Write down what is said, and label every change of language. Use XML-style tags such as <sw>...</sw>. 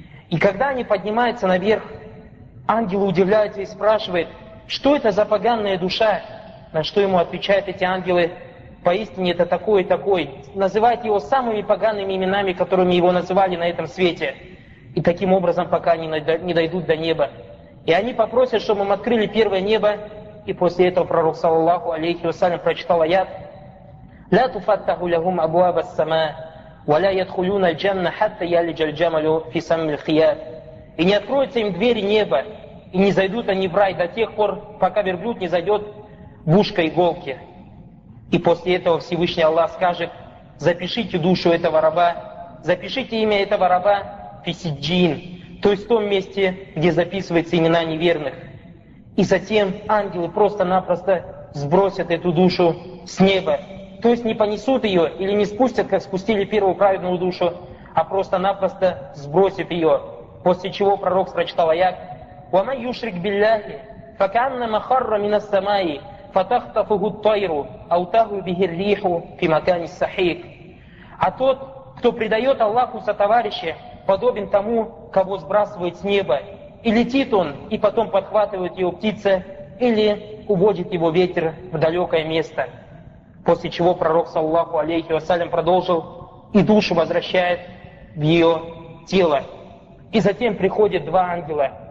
<ru>И когда они поднимаются наверх, ангелы удивляются и спрашивают, что это за поганая душа? На что ему отвечают эти ангелы, поистине это такой и такой. Называют его самыми погаными именами, которыми его называли на этом свете. И таким образом, пока они не дойдут до неба. И они попросят, чтобы им открыли первое небо. И после этого пророк, саллаллаху алейхи вассалям, прочитал аят,</ru> <ar>لا تفتح لهم أبواب السماء ولا يدخلون الجنة حتى يلج الجمل في سم الخياط.</ar> <ru>И не откроются им двери неба, и не зайдут они в рай до тех пор, пока верблюд не зайдет в ушко иголки. И после этого Всевышний Аллах скажет, запишите душу этого раба, запишите имя этого раба</ru> <ar>في سجين,</ar> <ru>то есть в том месте, где записываются имена неверных. И затем ангелы просто-напросто сбросят эту душу с неба. То есть не понесут ее или не спустят, как спустили первую праведную душу, а просто-напросто сбросят ее. После чего пророк прочитал аят:</ru> <ar>«ومن يشرك بالله فكأنما خر من السماء فتخطفه الطير أو تهوي به الريح في مكان صحيح».</ar> <ru>А тот, кто предает Аллаху сотоварища, подобен тому, кого сбрасывает с неба. И летит он, и потом подхватывает его птица, или уводит его ветер в далекое место. После чего пророк, саллаллаху алейхи вассалям, продолжил, и душу возвращает в ее тело. И затем приходят два ангела,</ru>